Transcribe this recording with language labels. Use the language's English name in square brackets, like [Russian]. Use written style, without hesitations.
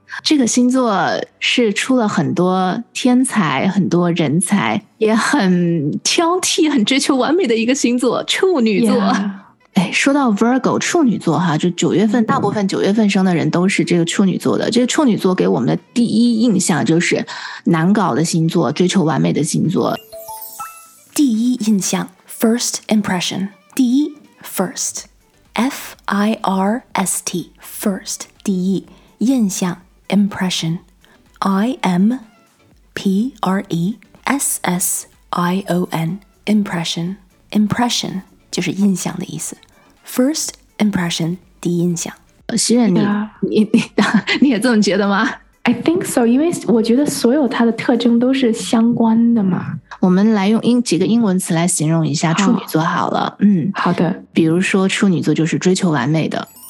[Chinese] 这个星座是出了很多天才很多人才也很挑剔很追求完美的一个星座处女座、说到 Virgo 处女座哈，就九月份大部分九月份生的人都是这个处女座的这个处女座给我们的第一印象就是难搞的星座追求完美的星座第一印象 [English] First impression 第一 First F-I-R-S-T First 第一印象Impression, I-M-P-R-E-S-S-I-O-N, impression, impression [Chinese] 就是印象的意思。 [English] First impression, [Chinese] 第一印象。希任你也这么觉得吗？ [English] I think so, [Chinese] 因为我觉得所有它的特征都是相关的嘛。我们来用几个英文词来形容一下处女座好了。好的。比如说处女座就是追求完美的。